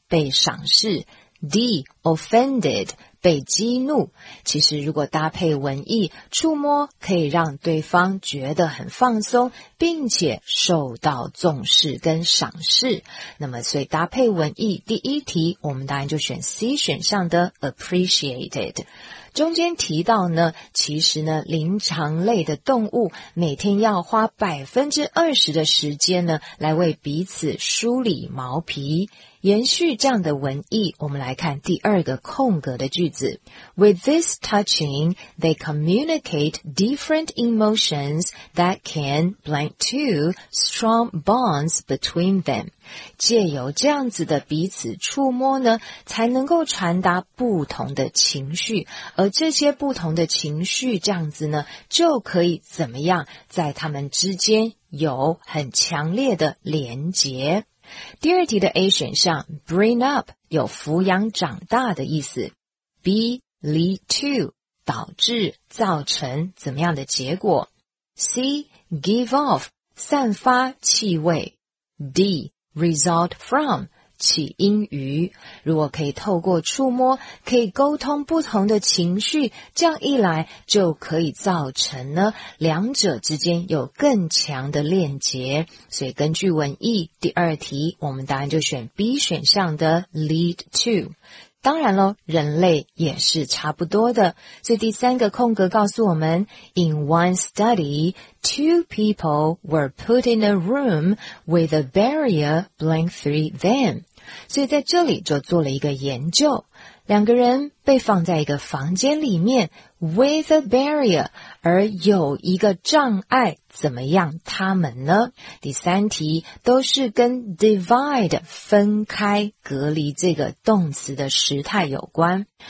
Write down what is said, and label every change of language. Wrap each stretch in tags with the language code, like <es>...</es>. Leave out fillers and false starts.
<zh>被赏识 D offended 被激怒其实如果搭配文艺触摸可以让对方觉得很放松并且受到重视跟赏识那么所以搭配文艺第一题我们当然就选 C 选项的 appreciated 中间提到呢其实呢灵长类的动物每天要花 20% 的时间呢来为彼此梳理毛皮延续这样的文意，我们来看第二个空格的句子。</zh> <en>With this touching, they communicate different emotions that can blank two strong bonds between them.</en> <zh>借由这样子的彼此触摸呢，才能够传达不同的情绪，而这些不同的情绪这样子呢，就可以怎么样在他们之间有很强烈的连结。第二题的 A 选项 ,</zh> <en>bring up,</en> <zh>有抚养长大的意思。B,</zh> <en>lead to,</en> <zh>导致、造成怎么样的结果。</zh> <en>C. Give off,</en> <zh>散发气味。</zh> <en>D. Result from,</en> <zh>起因于。如果可以透过触摸，可以沟通不同的情绪，这样一来就可以造成呢，两者之间有更强的链接。所以根据文意，第二题，我们答案就选 B 选项的</zh> <en>lead to。</en> <zh>当然咯，人类也是差不多的。所以第三个空格告诉我们</zh> <en>,In one study, two people were put in a room with a barrier blank through them.</en> <zh>所以在这里就做了一个研究。两个人被放在一个房间里面 ,</zh> <en>with a barrier,</en> <zh>而有一个障碍怎么样他们呢？第三题都是跟 divide 分开隔离这个动词的时态有关。</zh>